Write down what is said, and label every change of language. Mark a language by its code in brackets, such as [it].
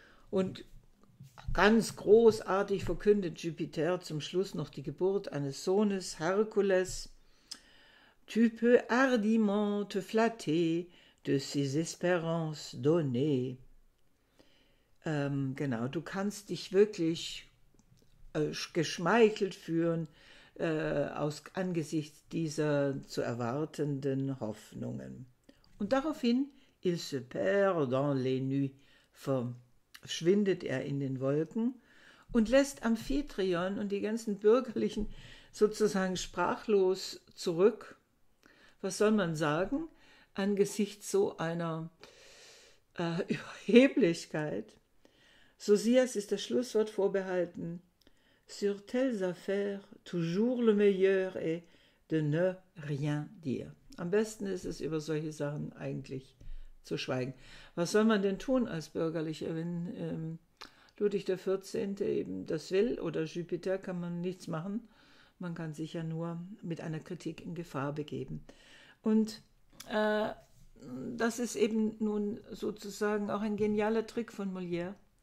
[de] Und ganz großartig verkündet Jupiter zum Schluss noch die Geburt eines Sohnes, Herkules. [fr] Tu peux hardiment te flatter de ses espérances données. [de] Genau, du kannst dich wirklich geschmeichelt fühlen angesichts dieser zu erwartenden Hoffnungen. Und daraufhin, [fr] il se perd dans les nuits, [de] verschwindet er in den Wolken und lässt Amphitryon und die ganzen Bürgerlichen sozusagen sprachlos zurück. Was soll man sagen angesichts so einer Überheblichkeit? Sosias ist das Schlusswort vorbehalten. [fr] Sur telles affaires, toujours le meilleur est de ne rien dire. [de] Am besten ist es, über solche Sachen eigentlich zu schweigen. Was soll man denn tun als Bürgerlicher, wenn Ludwig der 14. eben das will, oder Jupiter, kann man nichts machen. Man kann sich ja nur mit einer Kritik in Gefahr begeben. Und das ist eben nun sozusagen auch ein genialer Trick von Molière.